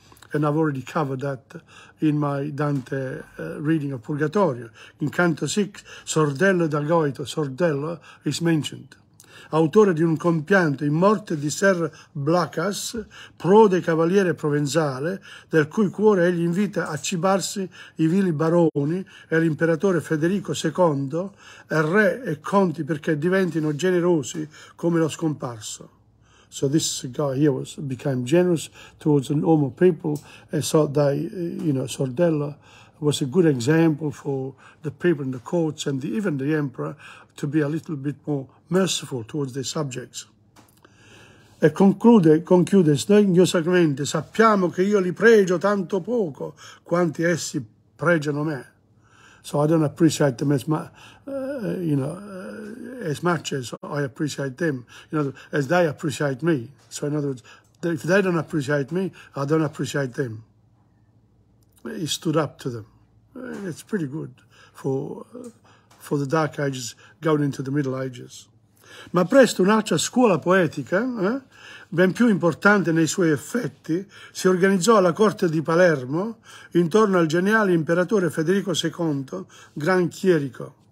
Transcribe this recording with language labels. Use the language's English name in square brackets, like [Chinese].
[English] And I've already covered that in my Dante reading of Purgatorio. In canto 6, Sordello da Goito, Sordello is mentioned. [Italian] Autore di un compianto in morte di Ser Blacas, prode cavaliere provenzale, del cui cuore egli invita a cibarsi i vili baroni e l'imperatore Federico II, e re e conti perché diventino generosi come lo scomparso. [English] So this guy here became generous towards the normal people, and so they, you know, Sordello was a good example for the people in the courts and even the emperor to be a little bit more merciful towards their subjects. [Italian] E conclude sdegnosamente, sappiamo che io li pregio tanto poco quanti essi pregiano me. [English] So I don't appreciate them as much as I appreciate them, you know, as they appreciate me. So in other words, if they don't appreciate me, I don't appreciate them. He stood up to them. It's pretty good for the Dark Ages going into the Middle Ages. [Italian] Ma presto un'altra scuola poetica, ben più importante nei suoi effetti, si organizzò alla corte di Palermo intorno al geniale imperatore Federico II, gran chierico.